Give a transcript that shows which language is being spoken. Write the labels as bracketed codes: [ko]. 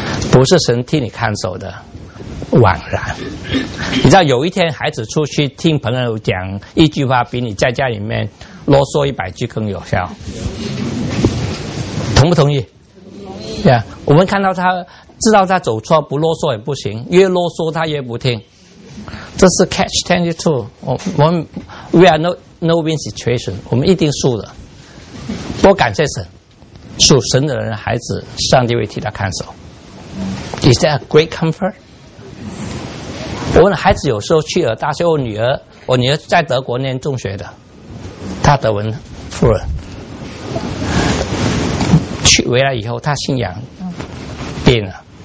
[zh] 不是神替你看守的，枉然。你知道有一天孩子出去听朋友讲一句话，比你在家里面啰嗦100句更有效，同不同意？同意。 Yeah， 我们看到他知道他走错，不啰嗦也不行，越啰嗦他越不听。这是 catch 22，我们 [en] we are no win situation， [zh] 我们一定输的。我感谢神，属神的人的孩子，上帝会替他看守。 [en] Is that a great comfort？ [zh] 我问孩子，有时候去了大学，我女儿在德国念中学的，她德文夫人，去回来以后，她信仰变了。